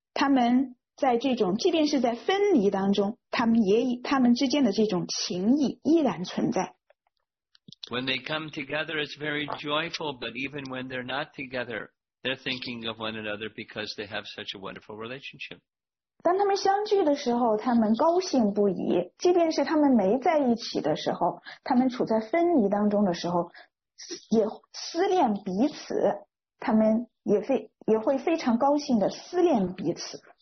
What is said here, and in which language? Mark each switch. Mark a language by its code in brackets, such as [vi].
[zh] 他们在这种，即便是在分离当中，他们之间的这种情谊依然存在。 [en] When they come together, it's very joyful, but even when they're not together, they're thinking of one another because they have such a wonderful relationship. [zh] 当他们相聚的时候，他们高兴不已，即便是他们没在一起的时候，他们处在分离当中的时候，也思念彼此，他们也会非常高兴地思念彼此。